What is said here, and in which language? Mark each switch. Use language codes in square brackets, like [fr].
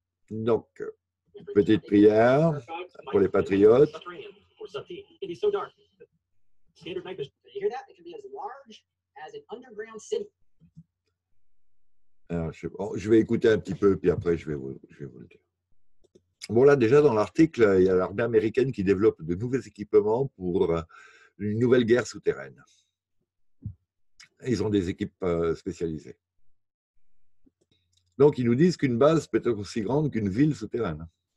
[fr] Donc, petite prière pour les patriotes. [en] It'd be so dark. Standard night vision. Did you hear that? It could be as large as an underground city. [fr] Alors, je vais écouter un petit peu, puis après je vais vous le dire. Bon, là, déjà dans l'article, il y a l'armée américaine qui développe de nouveaux équipements pour une nouvelle guerre souterraine. Ils ont des équipes spécialisées. Donc, ils nous disent qu'une base peut être aussi grande qu'une ville souterraine.